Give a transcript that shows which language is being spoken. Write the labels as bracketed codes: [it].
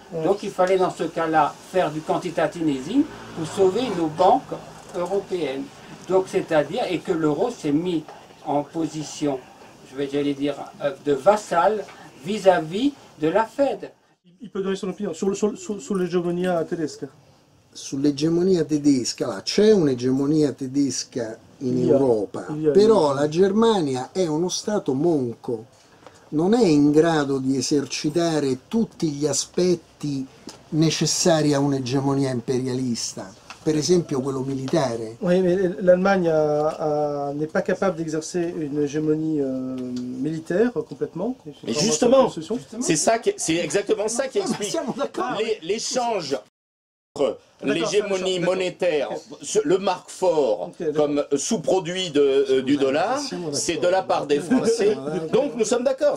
[fr] Donc il fallait dans ce cas-là faire du quantitative easing pour sauver nos banques européennes. Donc c'est-à-dire et que l'euro s'est mis en position, j'allais dire, de vassal vis-à-vis de la Fed. Il peut donner son opinion sur l'hégémonie tedesca. Sur l'hégémonie tedesca, là, [it] c'è un'egemonia tedesca in Europa, però la Germania è uno stato monco. Non è in grado di esercitare tutti gli aspetti necessari a un'egemonia imperialista, per esempio quello militare. [fr] Oui, mais l'Allemagne n'est pas capable d'exercer une hégémonie militaire complètement. Et justement, c'est exactement ça qui explique l'échange. L'hégémonie monétaire, le marque fort comme sous-produit du dollar, c'est de la part des Français. Donc nous sommes d'accord.